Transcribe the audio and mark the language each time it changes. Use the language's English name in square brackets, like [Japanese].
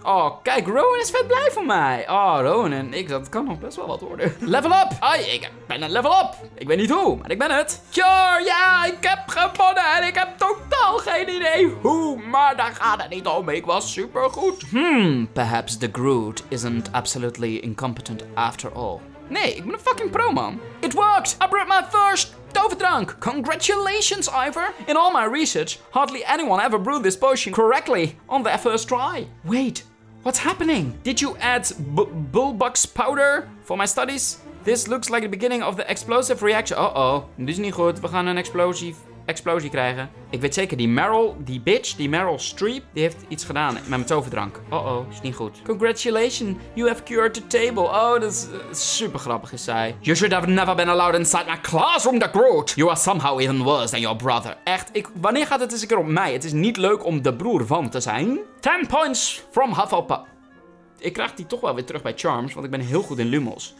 [Dutch] Oh, kijk, Rowan is vet blij voor mij. Oh, Rowan en ik, dat kan nog best wel wat worden. Level up! Ik ben een level up! Ik weet niet hoe, maar ik ben het. Cure! Ja, ik heb gewonnen en ik heb totaal geen idee hoe. Maar daar gaat het niet om. Ik was supergoed. [English] Perhaps the Groot isn't absolutely incompetent after all. [Dutch] Nee, ik ben een fucking pro, man. [English] It worked! I brought my first toverdrank! Congratulations, Yvar! In all my research, hardly anyone ever brewed this potion correctly on their first try. Wait, what's happening? Did you add bullbox powder for my studies? This looks like the beginning of the explosive reaction. [Dutch] Uh-oh, dit is niet goed. We gaan een explosie krijgen. Ik weet zeker, die Meryl Streep, die heeft iets gedaan met mijn toverdrank. Uh-oh, is niet goed. [English] Congratulations, you have cured the table. [Dutch] Oh, dat is super grappig, is zij. [English] You should have never been allowed inside my classroom, the Groot. You are somehow even worse than your brother. [Dutch] Echt, wanneer gaat het eens een keer op mij? Het is niet leuk om de broer van te zijn. [English] 10 points from Hufflepuff. [Dutch] Ik krijg die toch wel weer terug bij Charms, want ik ben heel goed in Lumos.